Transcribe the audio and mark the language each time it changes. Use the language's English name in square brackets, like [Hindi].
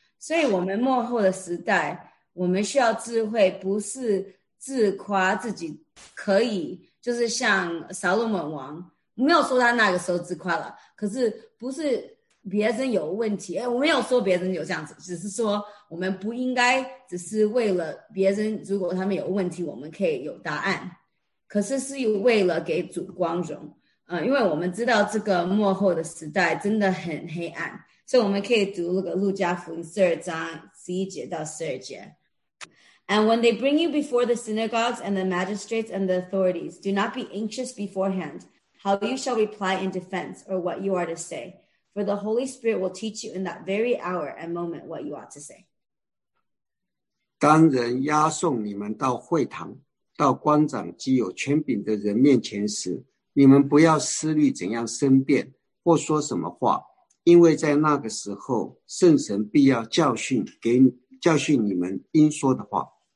[Chinese] 所以我们末后的时代，我们需要智慧，不是自夸自己可以，就是像撒罗门王，没有说他那个时候自夸了，可是不是别人有问题，我没有说别人有这样子，只是说我们不应该只是为了别人，如果他们有问题我们可以有答案，可是是为了给主光荣。因为我们知道这个末后的时代真的很黑暗，所以我们可以读那个路加福音12章11节到12节。 [English] And when they bring you before the synagogues and the magistrates and the authorities, do not be anxious beforehand how you shall reply in defense or what you are to say, for the Holy Spirit will teach you in that very hour and moment what you ought to say. [Chinese] 当人押送你们到会堂，到官长及有权柄的人面前时，你们不要思虑怎样申辩或说什么话，因为在那个时候圣神必要教训你们应说的话。